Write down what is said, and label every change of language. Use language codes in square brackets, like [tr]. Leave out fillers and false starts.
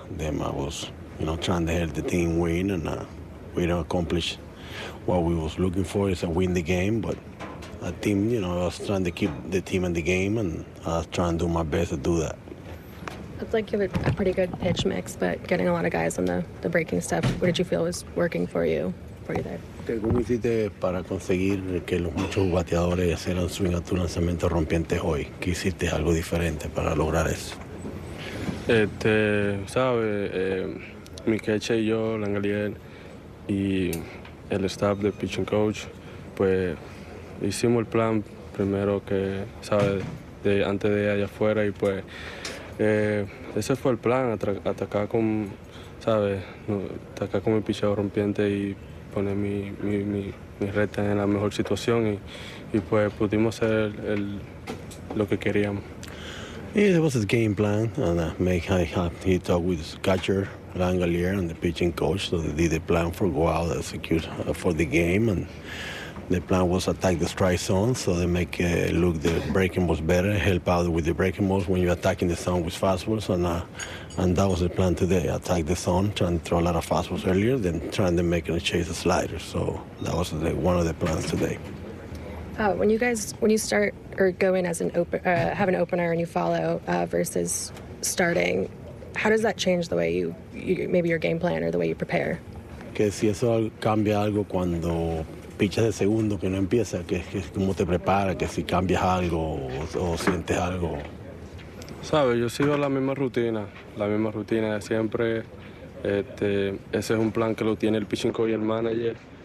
[en] Then I was, trying to help the team win, and we didn't accomplish what we was looking for, is to win the game. But I think, I was trying to keep the team in the game, and I was trying to do my best to do that. It's like you have a pretty good pitch mix, but getting a lot of guys on the breaking stuff. What did you feel was working for you there? [es] ¿Cómo hiciste para conseguir que los muchos bateadores hicieran swing a tu lanzamiento rompiente hoy? ¿Qué hiciste algo diferente para lograr eso? Mi queche y yo, Langelier, y el staff de pitching coach, pues hicimos el plan primero que, antes de ir allá afuera y pues ese fue el plan, atacar con mi picheo rompiente y poner mi recta en la mejor situación y pues pudimos hacer lo que queríamos. [en] Yeah, it was a game plan, and he talked with catcher Langelier and the pitching coach, so they did the plan for go out and execute for the game, and the plan was attack the strike zone, so they make look the breaking balls better, help out with the breaking balls when you're attacking the zone with fastballs, and that was the plan today. Attack the zone, trying to throw a lot of fastballs earlier, then trying to make a chase a slider. So that was one of the plans today. When you start or go in as an opener and you follow versus starting, how does that change the way you maybe your game plan or the way you prepare? [es] Que si eso cambia algo cuando pichas de segundo que no empieza, que cómo te preparas, que si cambias algo o sientes algo. Sabes, yo sigo la misma rutina de siempre. Ese es un plan que lo tiene el pitching coach y el manager.